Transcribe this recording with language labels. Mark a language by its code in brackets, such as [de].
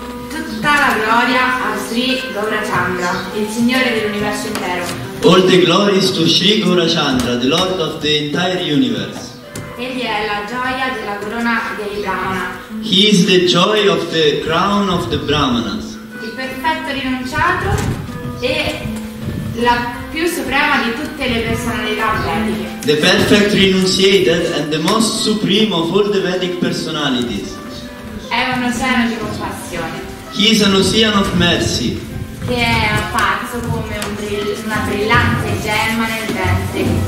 [it] Tutta la gloria a Sri Gaurachandra, il signore dell'universo intero. [en] All the glories to Sri Gaurachandra, the lord of the entire universe. [it] Egli è la gioia della corona dei Brahmana. [en] He is the joy of the crown of the Brahmanas. [it] Il perfetto rinunciato e la più suprema di tutte le personalità vediche. [en] The perfect renunciated and the most supreme of all the Vedic personalities. [it] È un oceano di compassione. [en] He is an ocean of mercy. [it] Che è apparso come una brillante gemma nel ventre.